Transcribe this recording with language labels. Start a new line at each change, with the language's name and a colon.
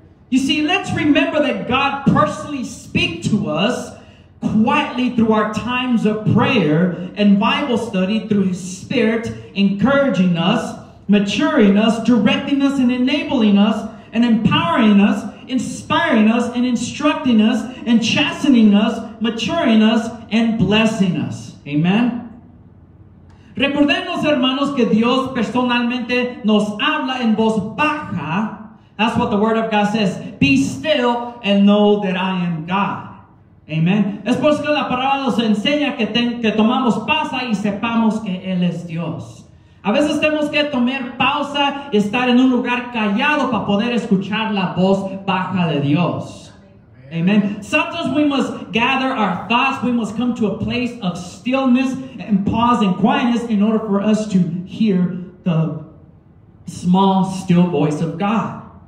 English: You see, let's remember that God personally speaks to us quietly through our times of prayer and Bible study through His Spirit, encouraging us, maturing us, directing us, and enabling us, and empowering us, inspiring us, and instructing us, and chastening us, maturing us, and blessing us. Amen.
Spanish: Recordemos, hermanos, que Dios personalmente nos habla en voz baja.
English: That's what the Word of God says. Be still and know that I am God. Amen.
Spanish: Es por eso que la palabra nos enseña que tomamos pausa y sepamos que Él es Dios. A veces tenemos que tomar pausa y estar en un lugar callado para poder escuchar la voz baja de Dios.
English: Amen. Sometimes we must gather our thoughts. We must come to a place of stillness and pause and quietness in order for us to hear the small, still voice of God.